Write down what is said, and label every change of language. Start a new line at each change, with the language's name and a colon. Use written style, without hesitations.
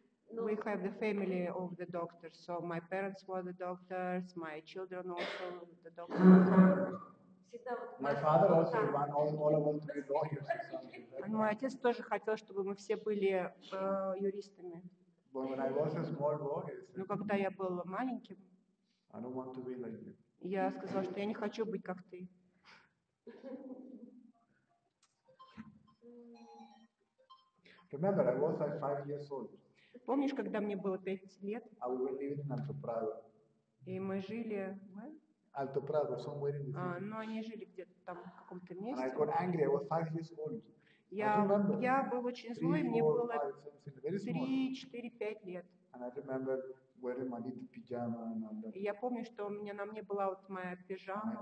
English: So we have the family of the doctors. So my parents were the doctors, my children also the doctors. My father also wanted all of us to be lawyers.
Russian: And мой отец тоже хотел, чтобы мы все были юристами.
English: But when I was a small boy,
Russian: ну когда я был маленьким,
English: I don't want to be like you.
Russian: Я сказал, что я не хочу быть как ты.
English: Remember, I was like 5 years old.
Russian: Помнишь, когда мне было 5 лет?
English: I was living in Alto Prado.
Russian: И мы жили в
English: Alto Prado, somewhere in the city.
Russian: Но они жили где-то там в каком-то месте.
English: And I got angry. I was 5 years old.
Russian: Я был очень злой. Мне было 3, 4, 5 лет.
English: And I remember wearing my little pajama and all that.
Russian: Я помню, что у меня на мне была вот моя пижама.